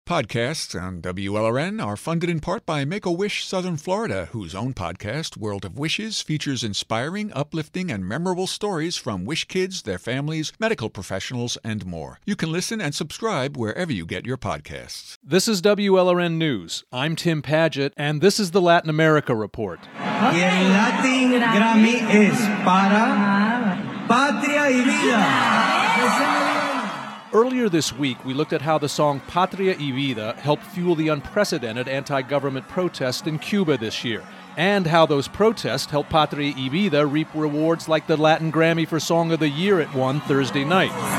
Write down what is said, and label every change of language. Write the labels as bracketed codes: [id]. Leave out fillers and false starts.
[en] Podcasts on WLRN are funded in part by Make-A-Wish Southern Florida, whose own podcast, World of Wishes, features inspiring, uplifting, and memorable stories from wish kids, their families, medical professionals, and more. You can listen and subscribe wherever you get your podcasts. This is WLRN News. I'm Tim Padgett, and this is the Latin America Report. [es] Y el Latin Grammy es para patria y vida. [en] Earlier this week, we looked at how the song Patria y Vida helped fuel the unprecedented anti-government protests in Cuba this year, and how those protests helped Patria y Vida reap rewards like the Latin Grammy for Song of the Year it won Thursday night.